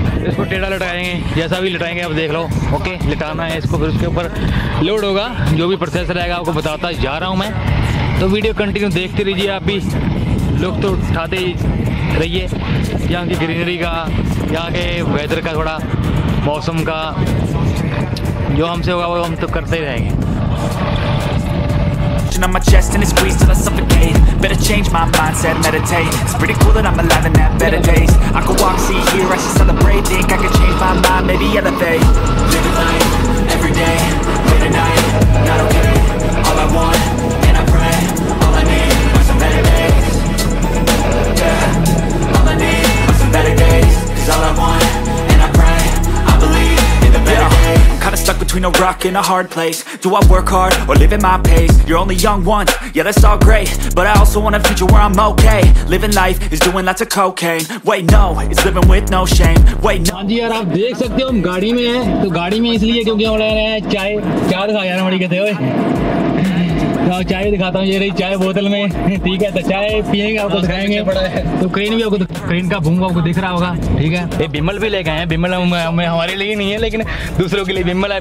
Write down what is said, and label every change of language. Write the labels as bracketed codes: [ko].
[hi] इसको टेढ़ा लटाएंगे, जैसा भी लटाएंगे आप देख लो। ओके लटाना है इसको, फिर उसके ऊपर लोड होगा, जो भी प्रोसेस रहेगा आपको बताता जा रहा हूँ मैं। तो वीडियो कंटिन्यू देखते रहिए, आप भी लुक तो उठाते रहिए यहाँ की ग्रीनरी का, यहाँ के वेदर का, थोड़ा मौसम का, जो हमसे होगा वो हम तो करते रहेंगे। [en] On my chest and it's squeezed till I suffocate. Better change my mindset, meditate. It's pretty cool that I'm alive and have better days. I could walk, see, hear, I should celebrate. Think I could change my mind, maybe elevate. Living life, every day, late at night, not okay. All I want, and I pray, all I need are some better days. Yeah, all I need are some better days. Cause all I want, and I pray, I believe in the better days. Kinda stuck between a rock and a hard place. Do I work hard or live at my pace? You're only young once, yeah that's all great. But I also want a future where I'm okay. Living life is doing lots of cocaine. Wait no, it's living with no shame. Wait no. [hi] हाँ जी यार, आप देख सकते हो हम गाड़ी में हैं, तो गाड़ी में इसलिए क्योंकि हम ले रहे हैं चाय। क्या दिखा यार बड़ी कहते हो, तो चाय दिखाता हूँ, ये रही चाय बोतल में। ठीक है तो चाय पियेंगे आपको दिखाएंगे, तो क्रेन भी आपको, क्रेन का भूंगा आपको दिख रहा होगा। ठीक है ये बिमल भी लेके आए हैं, बिमल हमें हमारे लिए नहीं है लेकिन दूसरों के लिए बिमल है।